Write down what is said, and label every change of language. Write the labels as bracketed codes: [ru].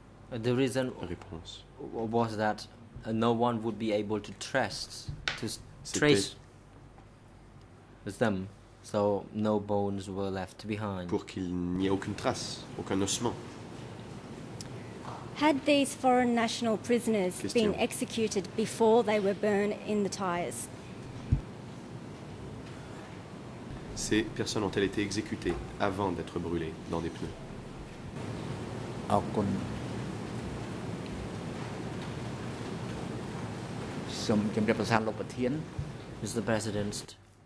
[en] The reason was that no one would be able to trace them, so no bones were left behind. [fr] Pour qu'il n'y ait aucune trace, aucun ossement. [en] Had these foreign national prisoners been executed before they were burned in the tires? [fr] Ces personnes ont-elles été exécutées avant d'être brûlées dans des pneus? Aucun. [en] Mr. President.